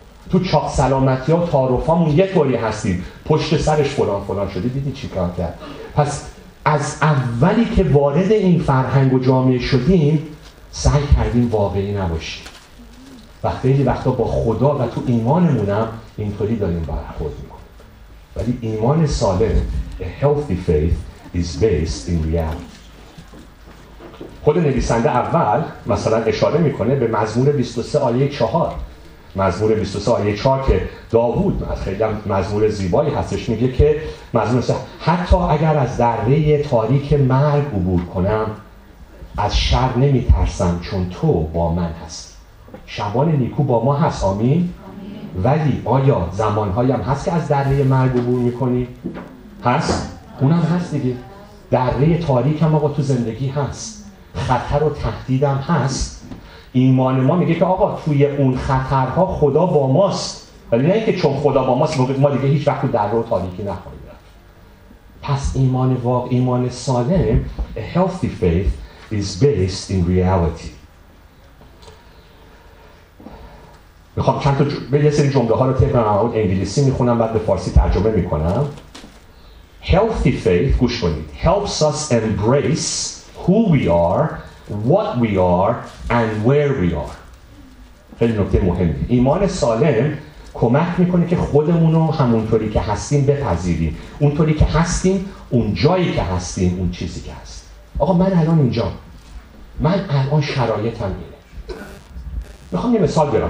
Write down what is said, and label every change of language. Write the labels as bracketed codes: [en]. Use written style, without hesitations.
[fa] تو چاق سلامتی ها و تعارف هامون یه طوری هستیم، پشت سرش فلان فلان شده، دیدی چیکار کرد. پس از اولی که وارد این فرهنگ و جامعه شدیم سعی کردیم واقعی نباشیم و خیلی وقتا با خدا و تو ایمانمونم اینطوری داریم برخورد میکنیم. ولی ایمان سالم، [en] a healthy faith is based in reality. [fa] خود نویسنده اول مثلا اشاره میکنه به مزمور 23 آیه 4. مزمور 23 آیه 4 که داوود خیلی هم مزمور زیبایی هستش، میگه که مزمور حتی اگر از دره تاریک مرگ عبور کنم از شر نمی ترسم چون تو با من هست. شبان نیکو با ما هست، آمین. ولی آیا زمانهایی هم هست که از دره مرگ عبور میکنی؟ هست؟ اونم هست دیگه. دره تاریک هم آقا تو زندگی هست، خطر و تهدید هم هست. ایمان ما میگه که آقا توی اون خطرها خدا با ماست، ولی نه اینکه چون خدا با ماست موقع ما دیگه هیچ وقت در رو تاریکی نخواهیم رفت. پس ایمان واقع، ایمان سالم، [en] a healthy faith is based in reality. [fa] میخوام چند تا یه سری جمله ها رو تکرار کنم، انگلیسی میخونم بعد به فارسی ترجمه میکنم. [en] Healthy faith، [fa] گوش کنید، [en] helps us embrace who we are, what we are and where we are. [fa] خیلی نکته مهمه. ایمان سالم کمک میکنه که خودمونو همونطوری که هستیم بپذیریم، اونطوری که هستیم، اون جایی که هستیم، اون چیزی که هست. آقا من الان اینجا، من الان شرایطم اینه. میخوام یه مثال بیارم.